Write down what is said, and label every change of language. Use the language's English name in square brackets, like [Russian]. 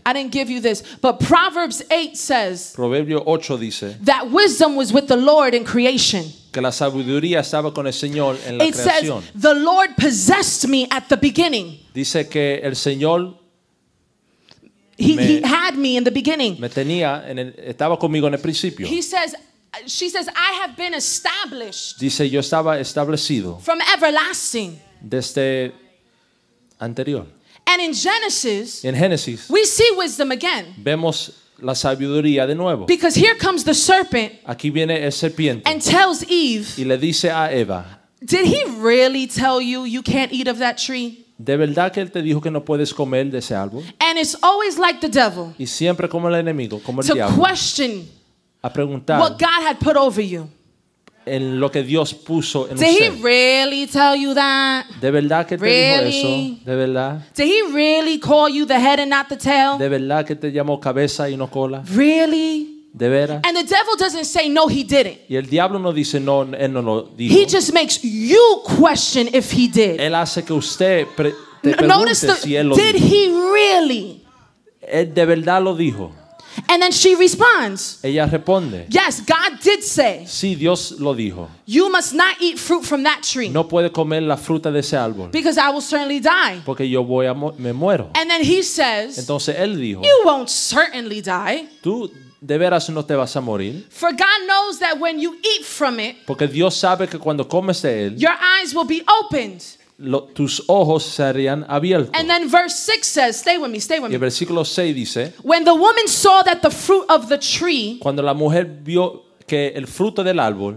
[English] I didn't give you this, but Proverbs 8 says. [Spanish] Proverbio 8 dice. [English] That wisdom was with the Lord in creation. [Spanish] Que la sabiduría estaba con el Señor en la [English] it [Spanish] creación. [English] It says the Lord possessed me at the beginning. [Spanish] Dice que el Señor [English] he had me in the beginning. [Spanish] Me tenía en el estaba conmigo en el principio. [English] She says, I have been established. [Spanish] Dice, yo estaba establecido. [English] From everlasting. [Spanish] Desde anterior. [English] And in Genesis. [Spanish] En Génesis. [English] We see wisdom again. [Spanish] Vemos la sabiduría de nuevo. [English] Because here comes the serpent. [Spanish] Aquí viene el serpiente. [English] And tells Eve. [Spanish] Y le dice a Eva. [English] Did he really tell you you can't eat of that tree? [Spanish] ¿De verdad que él te dijo que no puedes comer de ese árbol? [English] And it's always like the devil. [Spanish] Y siempre como el enemigo, como el [English] to [Spanish] diablo. [English] To question. [Spanish] A preguntar [English] what God had put over you. [Spanish] En lo que Dios puso en [English] did usted. He really tell you that? [Spanish] ¿De verdad que [English] really? [Spanish] Te dijo eso? ¿De verdad? [English] Did he really call you the head and not the tail? [Spanish] ¿De verdad que te llamó cabeza y no cola? [English] Really? [Spanish] ¿De veras? [English] And the devil doesn't say no, he didn't. [Spanish] Y el diablo no dice no, él no lo dijo. [English] He just makes you question if he did. [Spanish] Él hace que usted te pregunte si él lo [English] did [Spanish] dijo. [English] He really? [Spanish] Él de verdad lo dijo. [English] And then she responds. [Spanish] Ella responde. [English] Yes, God did say. [Spanish] Sí, Dios lo dijo. [English] You must not eat fruit from that tree. [Spanish] No puede comer la fruta de ese árbol. [English] Because I will certainly die. [Spanish] Porque yo voy a me muero. [English] And then he says. [Spanish] Entonces él dijo. [English] You won't certainly die. [Spanish] Tú de veras no te vas a morir. [English] For God knows that when you eat from it. [Spanish] Porque Dios sabe que cuando comes de él. [English] Your eyes will be opened. [Spanish] Tus ojos serían abiertos. [English] And then verse 6 says, stay with me. [Spanish] Y el versículo 6 dice, [English] when the woman saw that the fruit of the tree, [Spanish] cuando la mujer vio que el fruto del árbol